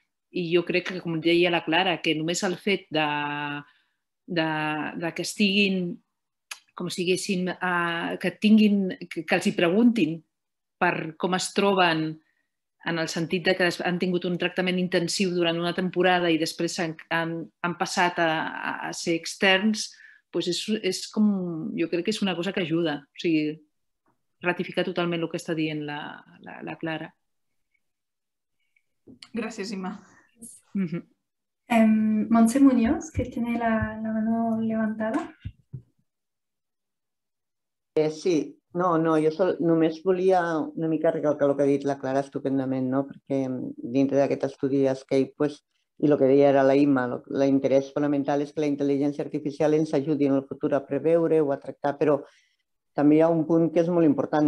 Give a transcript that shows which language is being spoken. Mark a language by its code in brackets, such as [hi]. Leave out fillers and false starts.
[ca] I jo crec que, com deia la Clara, que només el fet de que estiguin, com si diguéssim, que tinguin, que els hi preguntin per com es troben, en el sentit de que han tingut un tractament intensiu durant una temporada i després han passat a ser externs, doncs és com, jo crec que és una cosa que ajuda, o sigui, ratifica totalment el que està dient la Clara. Gràcies, Imma. [es] Montse Muñoz, que tiene la mano levantada. [ca] Sí, no, jo només volia una mica recalcar el que ha dit la Clara estupendament, no? Perquè dintre d'aquest estudi d'Escape, pues, i el que deia era la Imma, l'interès fonamental és que la intel·ligència artificial ens ajudi en el futur a preveure o a tractar, però també hi ha un punt que és molt important.